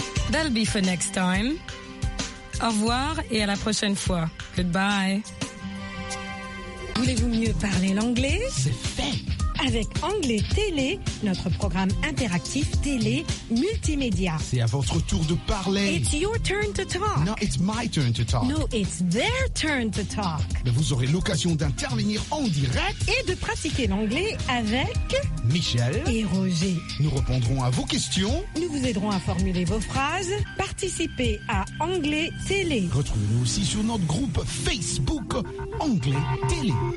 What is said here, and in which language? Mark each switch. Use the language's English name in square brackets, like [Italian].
[English] That'll be for next time. [French] Au revoir et à la prochaine fois. [English] Goodbye. [French] Voulez-vous mieux parler l'anglais? C'est fait! Avec Anglais Télé, notre programme interactif télé multimédia. C'est à votre tour de parler. [English] It's your turn to talk. No, it's my turn to talk. No, it's their turn to talk. [French] Mais vous aurez l'occasion d'intervenir en direct. Et de pratiquer l'anglais avec... Michel. Et Roger. Nous répondrons à vos questions. Nous vous aiderons à formuler vos phrases. Participez à Anglais Télé. Retrouvez-nous aussi sur notre groupe Facebook Anglais Télé.